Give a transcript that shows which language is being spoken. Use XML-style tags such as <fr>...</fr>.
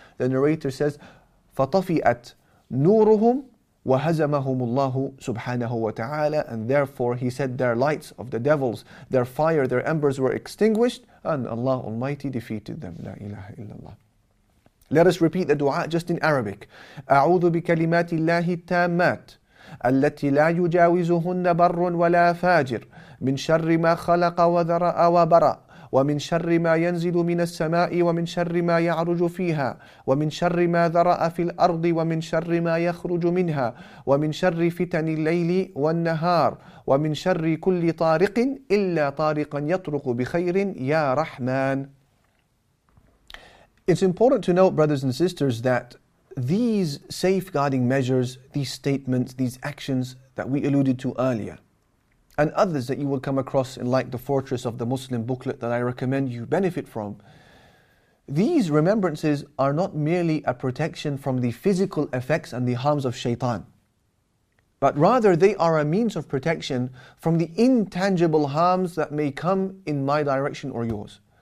<en>The narrator says,</en> <ar>فَطَفِئَتْ نُورُهُمْ وَهَزَمَهُمُ اللَّهُ سُبْحَانَهُ وَتَعَالَى,</ar> <en>and therefore he said their lights of the devils, their fire, their embers were extinguished, and Allah Almighty defeated them.</en> <ar>لا إله إلا الله.</ar> <en>Let us repeat the dua just in Arabic.</en> <ar>أَعُوذُ بِكَلِمَاتِ اللَّهِ التَّامَّاتِ التي لا يجاوزهن بر ولا فاجر من شر ما خلق وذرأ وبرأ ومن شر ما ينزل من السماء ومن شر ما يعرج فيها ومن شر ما ذرأ في الأرض ومن شر ما يخرج منها ومن شر فتن الليل والنهار ومن شر كل طارق إلا طارقا يطرق بخير يا رحمن.</ar> <en>It's important to note, brothers and sisters, that these safeguarding measures, these statements, these actions that we alluded to earlier, and others that you will come across in like the Fortress of the Muslim booklet that I recommend you benefit from, these remembrances are not merely a protection from the physical effects and the harms of shaitan, but rather they are a means of protection from the intangible harms that may come in my direction or yours.</en>